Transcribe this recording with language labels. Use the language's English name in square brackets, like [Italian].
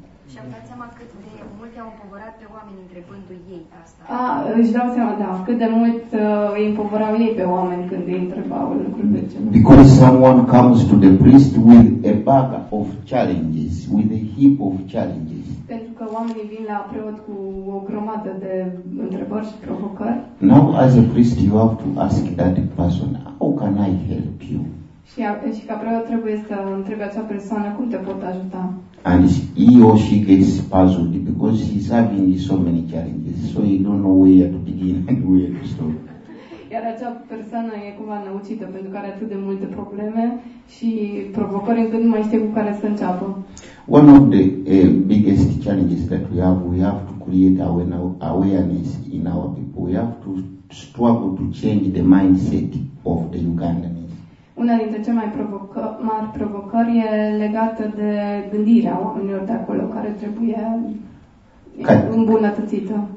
[Romanian] Și am dat seama cât de mult i-au împovărat pe oameni întrebându-i ei asta. Își dau seama, da, cât de mult îi împovărau ei pe oameni când îi întrebau lucruri de genul. [English] Because someone comes to the priest with a bag of challenges, with a heap of challenges. [Romanian] Pentru că oamenii vin la preot cu o grămadă de întrebări și provocări. [English] Now, as a priest, you have to ask that person, how can I help you? [Romanian] Și ca preot trebuie să întrebi acea persoană, cum te pot ajuta? [English] And he or she gets puzzled because he's having so many challenges, so he don't know where to begin and where to stop. [Romanian] Iar acea persoană e cumva năucită pentru că are atât de multe probleme și provocări încât nu mai știe cu care să înceapă. [English] One of the biggest challenges that we have to create awareness in our people. We have to struggle to change the mindset of the Ugandan. [Romanian] Una dintre cele mai mari provocări e legată de gândirea oamenilor de acolo, care trebuie îmbunătățită.